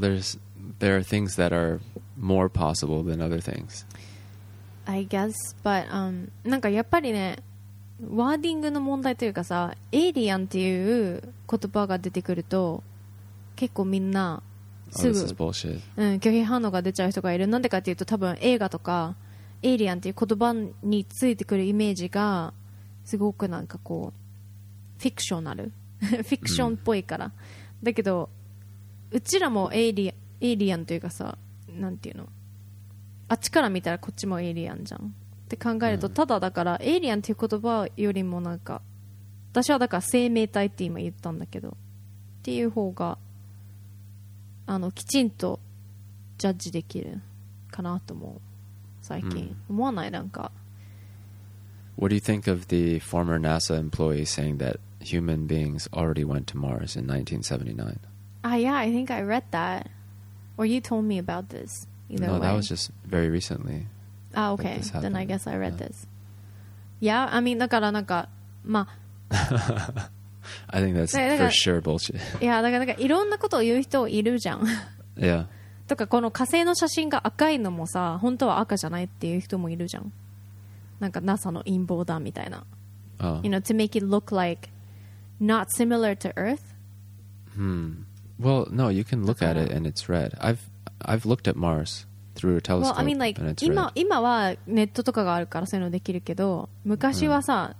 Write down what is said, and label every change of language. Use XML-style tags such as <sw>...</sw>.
<en>There are things that are more possible than other things. I guess, but</en> <ja>なんかやっぱりね、ワーディングの問題というかさ、エイリアンっていう言葉が出てくると、結構みんなすぐ、</ja> <en>oh, this is bullshit.</en> <ja>うん、拒否反応が出ちゃう人がいる。なんでかっていうと、多分映画とかエイリアンっていう言葉についてくるイメージがすごくなんかこうフィクショナルフィクションっぽいから、うん、だけどうちらもエイリアンというかさ、なんていうの、あっちから見たらこっちもエイリアンじゃんって考えると、うん、ただだからエイリアンっていう言葉よりもなんか私はだから生命体って今言ったんだけどっていう方がきちんとジャッジできるかなと思う最近、うん、思わない。なんか</ja> <en>What do you think of the former NASA employee saying that human beings already went to Mars in 1979? Ah, yeah, I think I read that. Or you told me about this. either no, way. No, that was just very recently. Ah, okay. Then I guess I read this. Yeah, I mean,</en> <ja>だからなんか、ま</ja> <en>あ。I think that's for sure bullshit. Yeah,</en> <ja>だからなんかいろんなことを言う人いるじゃん。</ja> <en>yeah.</en> <ja>とかこの火星の写真が赤いのもさ本当は赤じゃないっていう人もいるじゃんなんか NASA の陰謀だみたいな、</ja> <en>oh. You know, to make it look like not similar to Earth Hmm. Well, no, you can look at it and it's red I've looked at Mars through a telescope well, I mean, like, and it's red</en> <ja>今はネットとかがあるからそういうのできるけど昔はさ、mm.</ja>